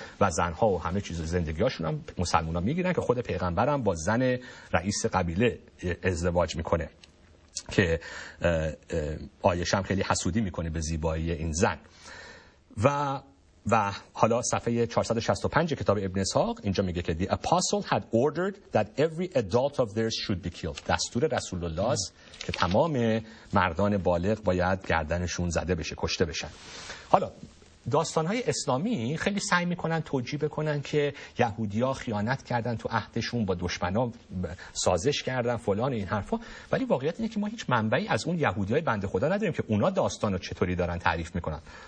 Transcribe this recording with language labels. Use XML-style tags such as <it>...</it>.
<fa>و زنها و همه چیز زندگیاشون هم مسلمان ها میگیرن، که خود پیغمبر هم با زن رئیس قبیله ازدواج میکنه که عایشه هم خیلی حسودی میکنه به زیبایی این زن. و حالا صفحه 465 کتاب ابن اسحاق اینجا میگه که</fa> <en>the apostle had ordered that every adult of theirs should be killed.</en> <fa>دستور رسول الله است که تمام مردان بالغ باید گردنشون زده بشه، کشته بشن. حالا داستان‌های اسلامی خیلی سعی می‌کنن توجیه بکنن که یهودی‌ها خیانت کردن تو عهدشون، با دشمنان سازش کردن، فلان این حرفا، ولی واقعیت اینه که ما هیچ منبعی از اون یهودی‌های بنده خدا نداریم که اونا داستانو چطوری دارن تعریف می‌کنن.</fa>